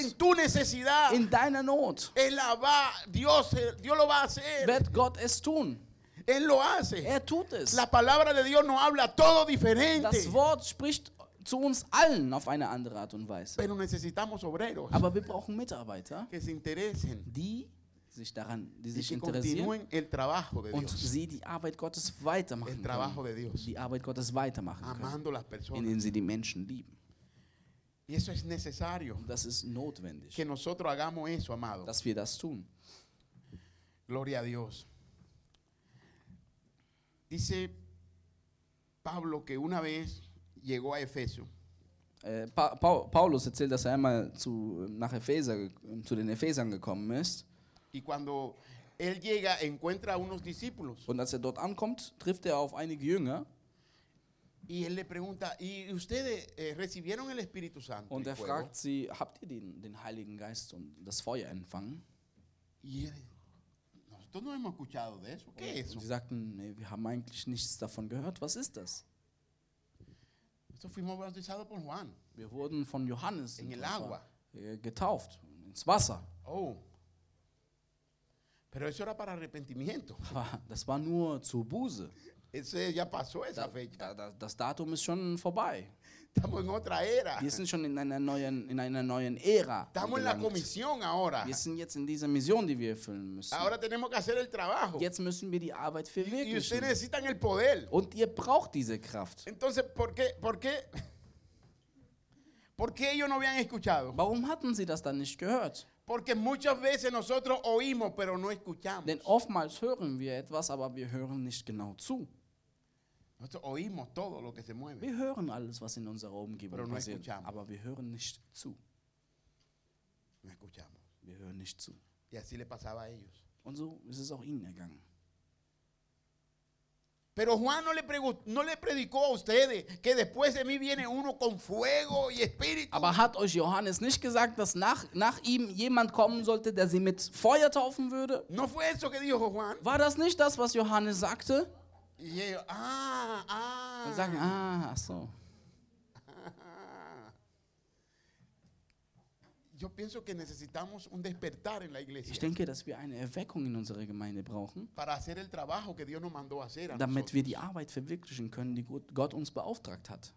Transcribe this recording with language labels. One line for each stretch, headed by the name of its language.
Spanish: En tu necesidad.
German: In deiner Not.
Spanish: Él la va, Dios lo va a hacer.
German: Wird Gott es tun.
Spanish: Él lo hace.
German: Er tut es.
Spanish: La palabra de Dios no habla todo diferente.
German: Das Wort spricht zu uns allen auf eine andere Art und Weise.
Spanish: Pero necesitamos obreros.
German: Aber wir brauchen Mitarbeiter,
Spanish: que se interesen.
German: die sich interessieren
Spanish: continúen el trabajo de Dios.
German: Und sie die Arbeit Gottes weitermachen
Spanish: el trabajo
German: können.
Spanish: De Dios.
German: Die Arbeit Gottes weitermachen
Spanish: Amando
German: können,
Spanish: las personas.
German: Indem sie die Menschen lieben.
Spanish: Y eso es necesario.
German: Das ist notwendig,
Spanish: que nosotros hagamos eso, amado.
German: Dass wir das tun.
Spanish: Gloria a Dios. Dice Pablo que una vez llegó a Efeso.
German: Paulus erzählt, dass er einmal zu den Ephesern gekommen ist.
Spanish: Y cuando él llega, encuentra a unos discípulos.
German: Und als er dort ankommt, trifft er auf einige Jünger.
Spanish: Y él le pregunta, ¿y ustedes recibieron el Espíritu Santo?
German: Und er fragt sie, habt ihr den Heiligen Geist und das Feuer empfangen?
Spanish: Todos no hemos escuchado de eso. ¿Qué es eso?
German: Sie sagten, nee, wir haben eigentlich nichts davon gehört. Was ist das?
Spanish: Eso fuimos bautizados por Juan.
German: Wir wurden von Johannes
Spanish: en el agua.
German: Getauft ins Wasser. Oh.
Spanish: Pero eso era para arrepentimiento.
German: Das war nur zur Buße.
Spanish: Ese ya pasó esa fecha.
German: Das Datum ist schon vorbei.
Spanish: Estamos en otra era.
German: Wir sind schon in einer neuen Ära.
Spanish: Estamos en la comisión ahora.
German: Wir sind jetzt in dieser Mission, die wir erfüllen müssen.
Spanish: Ahora tenemos que hacer el trabajo.
German: Jetzt müssen wir die Arbeit verwirklichen.
Spanish: Y ustedes necesitan el poder.
German: Und ihr braucht diese Kraft.
Spanish: Entonces, ¿por qué ellos no habían escuchado?
German: Warum hatten sie das dann nicht gehört?
Spanish: Porque muchas veces nosotros oímos, pero no escuchamos.
German: Denn oftmals hören wir etwas, aber wir hören nicht genau zu.
Spanish: Nosotros oímos todo lo que se mueve.
German: Wir hören alles, was in unserer Umgebung
Spanish: no
German: passiert,
Spanish: escuchamos.
German: Aber wir hören nicht zu.
Spanish: No escuchamos.
German: Wir hören nicht zu.
Spanish: Y así le pasaba a ellos.
German: Und so ist es auch ihnen ergangen.
Spanish: Pero Juan no le predicó a ustedes que después de mí viene uno con fuego y espíritu.
German: Aber hat euch Johannes nicht gesagt, dass nach ihm jemand kommen sollte, der sie mit Feuer taufen würde?
Spanish: No fue eso que dijo Juan.
German: War das nicht das, was Johannes sagte? Und sagen, ach so.
Spanish: Yo pienso que necesitamos un despertar en la iglesia.
German: Ich denke, dass wir eine Erweckung in unserer Gemeinde brauchen.
Spanish: Para hacer el trabajo que Dios nos mandó hacer a nosotros.
German: Damit wir die Arbeit verwirklichen können, die Gott uns beauftragt hat.